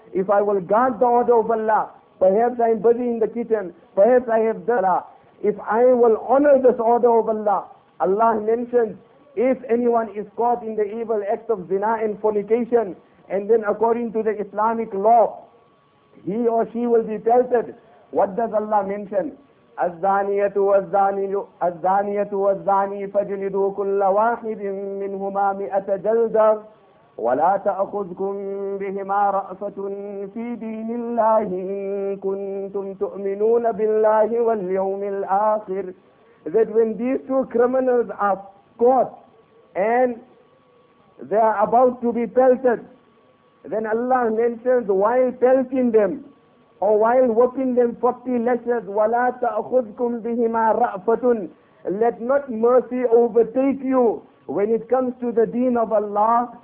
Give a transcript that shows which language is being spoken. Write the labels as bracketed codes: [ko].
[en] If I will guard the order of Allah, perhaps I am busy in the kitchen, perhaps I have dala. If I will honor this order of Allah, Allah mentions, if anyone is caught in the evil act of zina and fornication, and then according to the Islamic law, he or she will be pelted. What does Allah mention? [ar] الزانيه والزاني الزانيه والزاني فاجلدوا كل واحد منهما 100 جلده ولا تاخذكم بهما رافه في دين الله ان كنتم تؤمنون بالله واليوم الاخر. [en] That when these two criminals are caught and they are about to be pelted, then Allah mentions, while pelting them or while whipping them 40 lashes, [ar] وَلَا تَأْخُذْكُمْ بِهِمَا رَأْفَةٌ, [en] let not mercy overtake you when it comes to the deen of Allah.